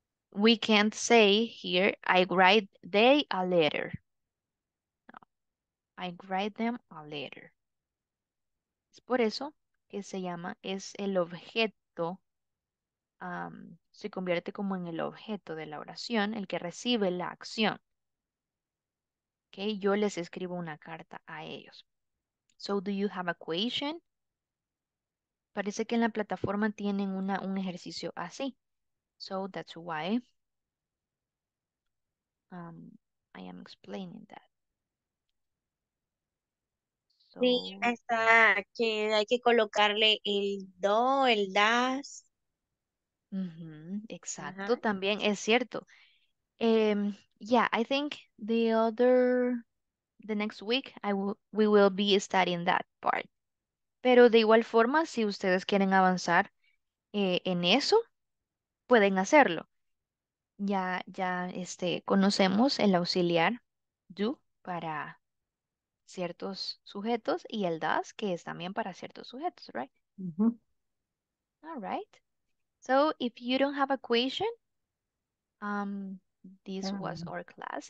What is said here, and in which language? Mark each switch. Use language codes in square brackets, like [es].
[en] We can't say here, I write they a letter. No. I write them a letter. [es] Es por eso que se llama, es el objeto, se convierte como en el objeto de la oración, el que recibe la acción. Okay, yo les escribo una carta a ellos. [en] So, do you have a question? [es] Parece que en la plataforma tienen un ejercicio así. [en] So that's why I am explaining that. [es] So, sí, está que hay que colocarle el do, el das. Exacto, también es cierto. [en] Yeah, I think the next week we will be studying that part. [es] Pero de igual forma, si ustedes quieren avanzar en eso, pueden hacerlo. Ya conocemos el auxiliar do para ciertos sujetos y el does que es también para ciertos sujetos, right? [en] Mm-hmm. All right. So if you don't have a question, this was our class.